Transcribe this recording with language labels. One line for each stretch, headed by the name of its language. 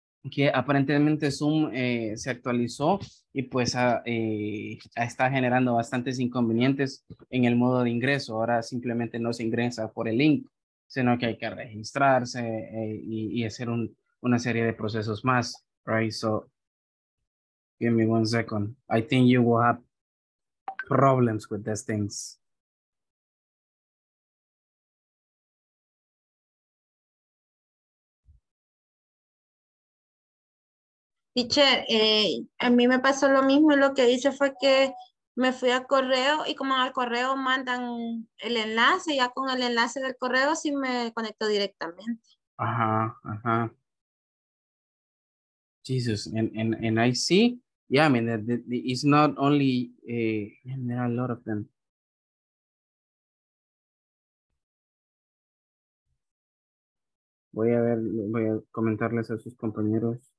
Spanish: Que aparentemente Zoom se actualizó y pues está generando bastantes inconvenientes en el modo de ingreso. Ahora simplemente no se ingresa por el link, sino que hay que registrarse y hacer una serie de procesos más, right?
English: So, give me one second. I think you will have problems with these things.
Spanish: Teacher, a mí me pasó lo mismo y lo que hice fue que me fui a correo y como al correo mandan el enlace, ya con el enlace del correo sí me conecto directamente. Ajá, ajá.
English: Jesus, and I see, yeah, I mean, it's not only, and there are a lot of them.
Spanish: Voy a comentarles a sus compañeros.